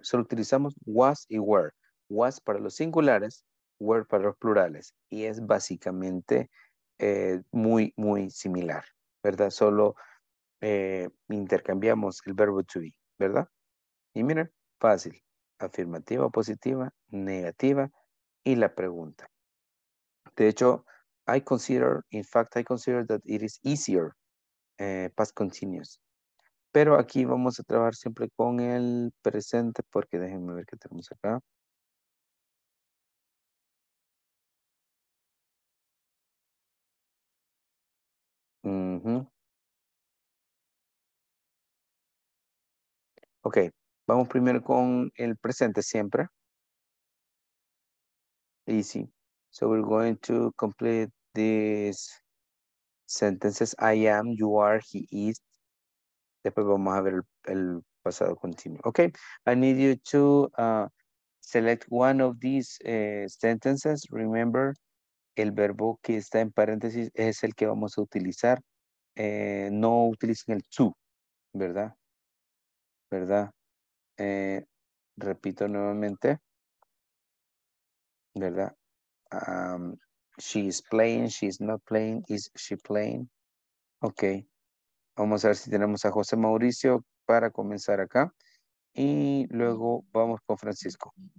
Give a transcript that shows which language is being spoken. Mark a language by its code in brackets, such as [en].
[es] Solo utilizamos was y were. Was para los singulares, were para los plurales. Y es básicamente... muy similar, ¿verdad? Solo intercambiamos el verbo to be, ¿verdad? Y miren, fácil, afirmativa, positiva, negativa y la pregunta. De hecho, [en] I consider that it is easier past continuous. [es] Pero aquí vamos a trabajar siempre con el presente porque déjenme ver qué tenemos acá. Ok, vamos primero con el presente siempre. [en] Easy. So we're going to complete these sentences. I am, you are, he is. [es] Después vamos a ver el pasado continuo. [en] Ok, I need you to select one of these sentences. [es] Remember, el verbo que está en paréntesis es el que vamos a utilizar. No utilicen el to, ¿verdad? ¿Verdad? Repito nuevamente, ¿verdad? [en] She is playing, she is not playing, is she playing? [es] Ok, vamos a ver si tenemos a José Mauricio para comenzar acá y luego vamos con Francisco.